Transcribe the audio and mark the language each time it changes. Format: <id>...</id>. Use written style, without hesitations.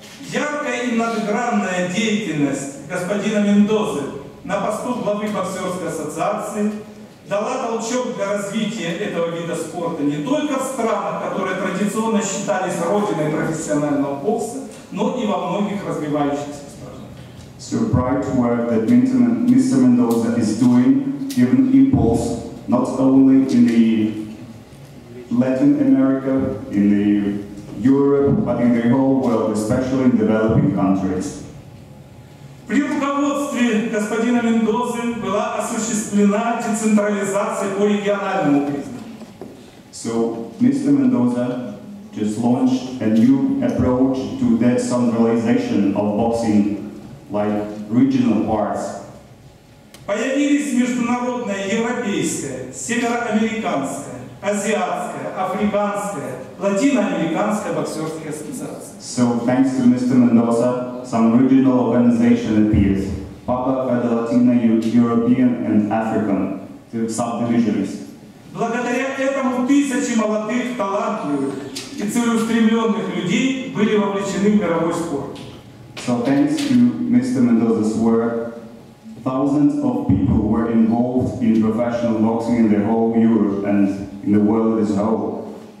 <ru>Яркая и многогранная деятельность господина Мендозы на посту главы боксерской ассоциации дала толчок для развития этого вида спорта не только в странах, которые традиционно считались родиной профессионального бокса, но и во многих развивающихся странах.</ru> <en>So bright work that Mr. Mendoza is doing given impulse not only in the Latin America, in the Europe, but in the whole world, especially in developing countries.</en> <ru>При руководстве господина Мендозы была осуществлена децентрализация по региональному признаку.</ru> <en>So, Mr. Mendoza just launched a new approach to decentralization of boxing, like regional parts.</en> <ru>Появились международная, европейская, североамериканская, азиатская, африканская, латиноамериканская боксерская ассоциация.</ru> <en>So, thanks to Mr. Mendoza, some regional organization appears. Papa Federa Latina, European and African subdivisions.</en> <ru>Благодаря этому тысячи молодых, талантливых и целеустремленных людей были вовлечены в мировой спорт.</ru> <en>So thanks to Mr. Mendoza's work, thousands of people were involved in professional boxing in the whole Europe and in the world as a whole.</en>